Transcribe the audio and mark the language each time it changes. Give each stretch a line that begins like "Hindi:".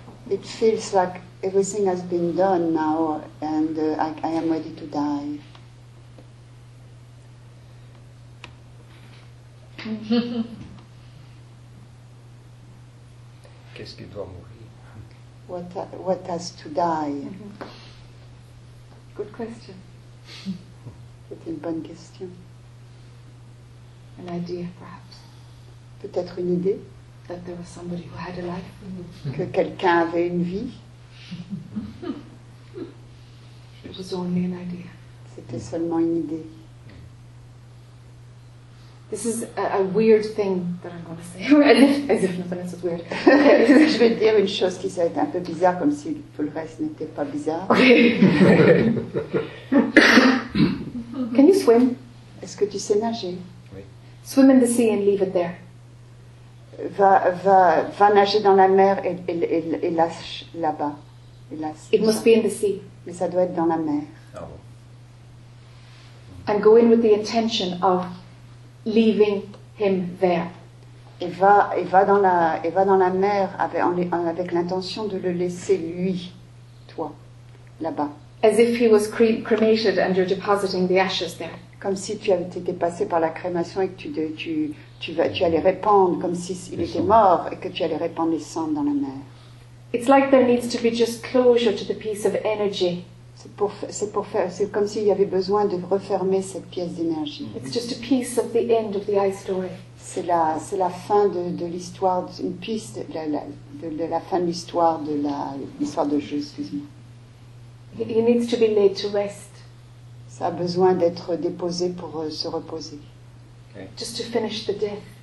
English: It feels like everything has been done now, and I am ready to die.
French: Qu'est-ce qui doit mourir?
English: What has to die? Mm-hmm. Good question.
French: C'est une bonne question.
English: An idea, perhaps.
French: Peut-être une idée.
English: That there was somebody who had a life.
French: Que quelqu'un avait une vie.
English: It was only an idea.
French: C'était seulement une idée.
English: This is a weird thing that I'm going to say. As if nothing else is weird.
French: Je vais dire une chose qui s'est un peu bizarre, comme si tout le reste n'était pas bizarre.
English: Can you swim?
French: Est-ce que tu sais nager? Oui.
English: Swim in the sea and leave it there.
French: Va nager dans la mer et lâche là-bas.
English: It must be in the sea.
French: Mais ça doit être dans la mer.
English: Oh. And go in with the intention of leaving him there.
French: Et va dans la mer avec l'intention de le laisser lui, toi, là-bas.
English: As if he was cremated and you're depositing the ashes there.
French: Comme si tu avais été passé par la crémation et que tu allais répandre, comme si il était mort et que tu allais répandre les cendres dans la mer.
English: It's like there needs to be just closure to the piece of energy.
French: C'est comme s'il y avait besoin de refermer cette pièce d'énergie.
English: It's just a piece of the end of the I story.
French: C'est la fin de l'histoire, une piste de la fin de l'histoire de la l'histoire de Jésus. Excuse-moi.
English: He needs to be laid to rest.
French: Ça a besoin d'être déposé pour se reposer.
English: Okay. Just to finish the death.